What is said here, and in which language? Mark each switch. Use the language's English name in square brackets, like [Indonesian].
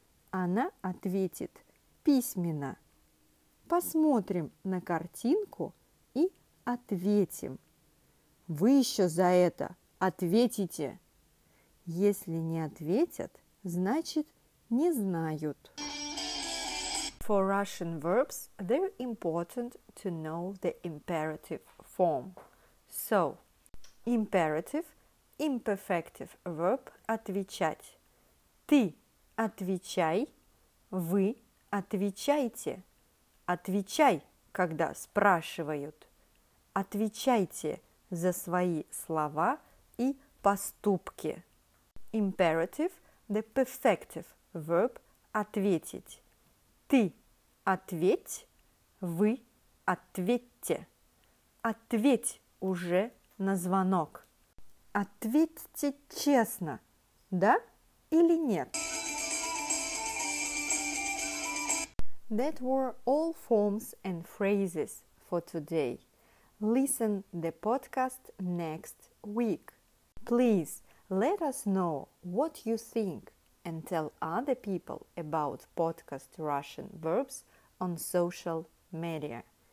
[Russian] Она ответит письменно. Посмотрим на картинку и ответим. Вы еще за это ответите. Если не ответят, значит, не знают. [English] For Russian verbs, they're important to know the imperative form. So, imperative, imperfective verb отвечать. [Russian] Ты отвечай, вы отвечайте. Отвечай, когда спрашивают. Отвечайте, за свои слова и поступки. [English] Imperative – the perfective verb – ответить. [Russian] Ты ответь, вы ответьте. Ответь уже на звонок. Ответьте честно, да или нет? [English] That were all forms and phrases for today. Listen the podcast next week. Please let us know what you think and tell other people about podcast Russian verbs on social media.